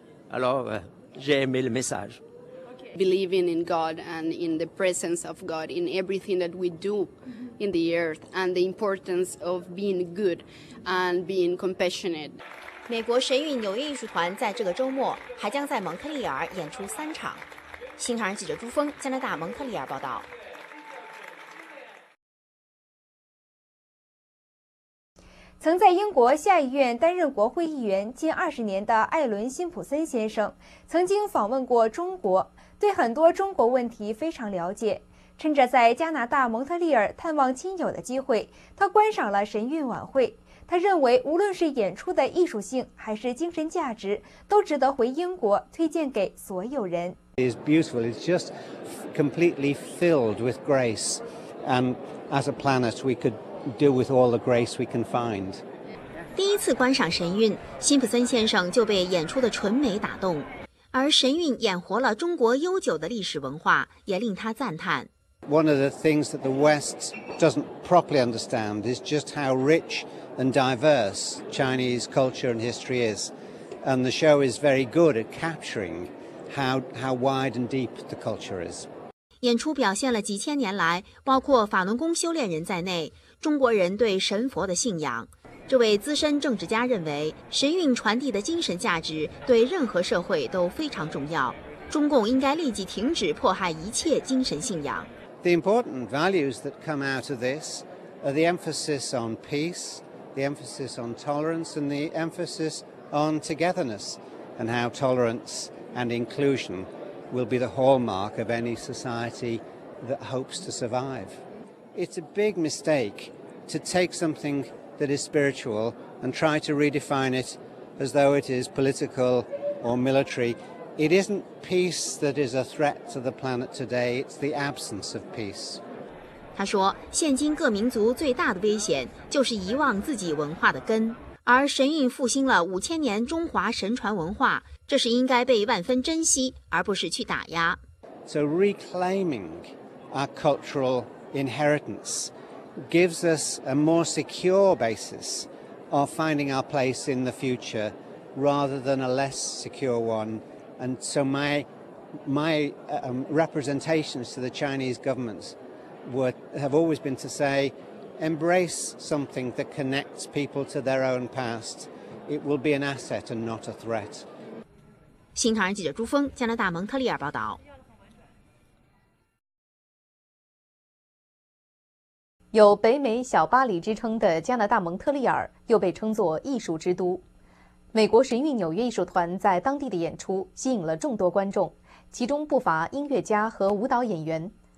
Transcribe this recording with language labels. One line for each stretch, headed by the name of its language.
French: Alors, j'ai aimé le message.
English: Okay. Believing in God and in the presence of God, in everything that we do in the earth, and the importance of being good and being compassionate.
Chinese: 美国神韵纽约艺术团在这个周末还将在蒙特利尔演出三场。新唐人记者朱峰，加拿大蒙特利尔报道。曾在英国下议院担任国会议员近20年的艾伦·辛普森先生曾经访问过中国，对很多中国问题非常了解。趁着在加拿大蒙特利尔探望亲友的机会，他观赏了神韵晚会。他认为无论是演出的艺术性还是精神价值都值得回英国推荐给所有人。
English: It's beautiful. It's just completely filled with grace. And as a planet, we could do with all the grace we can find.
Chinese: 第一次观赏神韵，辛普森先生就被演出的纯美打动。而神韵演活了中国悠久的历史文化也令他赞叹。
English: One of the things that the West doesn't properly understand is just how rich and diverse Chinese culture and history is. And the show is very good at capturing how wide and deep the culture is.
Chinese: 演出表现了几千年来，包括法轮功修炼人在内，中国人对神佛的信仰。这位资深政治家认为，神韵传递的精神价值对任何社会都非常重要。中共应该立即停止迫害一切精神信仰。
English: The important values that come out of this are the emphasis on peace, the emphasis on tolerance, and the emphasis on togetherness, and how tolerance and inclusion will be the hallmark of any society that hopes to survive. It's a big mistake to take something that is spiritual and try to redefine it as though it is political or military. It isn't peace that is a threat to the planet today, it's the absence of peace.
Chinese: 他说，现今各民族最大的危险就是遗忘自己文化的根，而神韵复兴了五千年中华神传文化，这是应该被万分珍惜，而不是去打压。
English: So reclaiming our cultural inheritance gives us a more secure basis of finding our place in the future rather than a less secure one. And so my representations to the Chinese governments have always been to say, embrace something that connects people to their own past. It will be an asset and not a threat.
Chinese: 新唐人记者朱峰，加拿大蒙特利尔报道。有北美小巴黎之称的加拿大蒙特利尔又被称作艺术之都。美国神韵纽约艺术团在当地的演出吸引了众多观众，其中不乏音乐家和舞蹈演员。